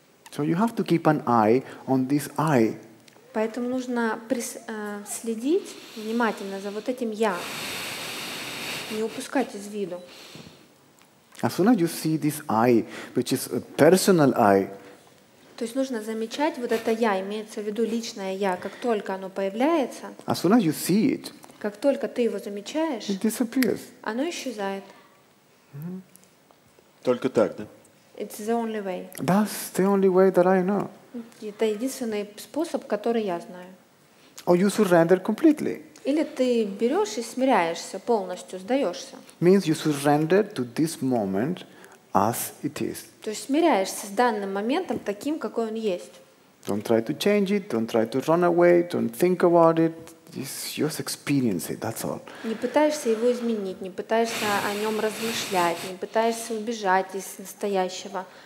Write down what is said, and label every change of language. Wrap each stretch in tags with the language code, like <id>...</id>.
<en>So you have to keep an eye on this I.</en> <ru>Поэтому нужно следить внимательно за вот этим я. Не упускать из виду.</ru> <en>As soon as you see this I, which is a personal I.</en> <ru>То есть нужно замечать вот это я, имеется в виду личное я, как только оно появляется.</ru> <en>As soon as you see it.</en> <ru>Как только ты его замечаешь.</ru> <en>It disappears.</en> <ru>Оно исчезает. Mm-hmm. Только так, да?</ru> <en>It's the only way. That's the only way that I know.</en> <ru>Это единственный способ, который я знаю.</ru> <en>Or you surrender completely.</en> <ru>Или ты берешь и смиряешься полностью, сдаешься.</ru> <en>Means you surrender to this moment as it is.</en> <ru>То есть смиряешься с данным моментом таким, какой он есть.</ru> <en>Don't try to change it. Don't try to run away. Don't think about it. Just experience it. That's all.</en> <ru>Не пытаешься его изменить, не пытаешься о нем размышлять, не пытаешься убежать из настоящего.</ru>